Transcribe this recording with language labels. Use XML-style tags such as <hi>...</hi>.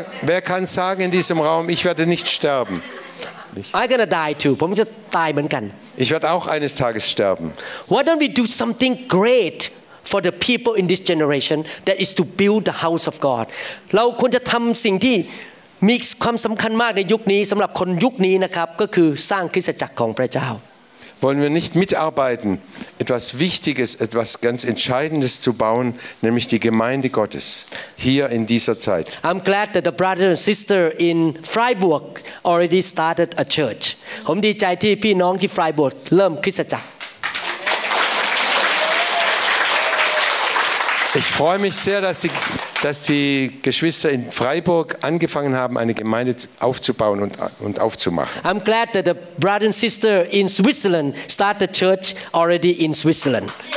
<de>Wer kann sagen in diesem Raum, ich werde nicht sterben?</de> <en>I'm going to die too.</en> <th>ผมจะตายเหมือนกัน</th> <de>Ich werde auch eines Tages sterben.</de> <en>Why don't we do something great for the people in this generation that is to build the house of God?</en> <th>เราควรจะทำสิ่งที่มีความสำคัญมากในยุคนี้สำหรับคนยุคนี้นะครับก็คือสร้างคริสตจักรของพระเจ้า</th> <de>Wollen wir nicht mitarbeiten, etwas Wichtiges, etwas ganz Entscheidendes zu bauen, nämlich die Gemeinde Gottes, hier in dieser Zeit.</de> <en>I'm glad that the brother and sister in Freiburg already started a church.</en> <th>ผมดีใจที่พี่น้องที่ Freiburg เริ่มคริสตจักร</th> <de>Ich freue mich sehr, dass die Geschwister in Freiburg angefangen haben, eine Gemeinde aufzubauen und aufzumachen.</de> <en>I'm glad that the brother and sister in Switzerland started a church already in Switzerland.</en>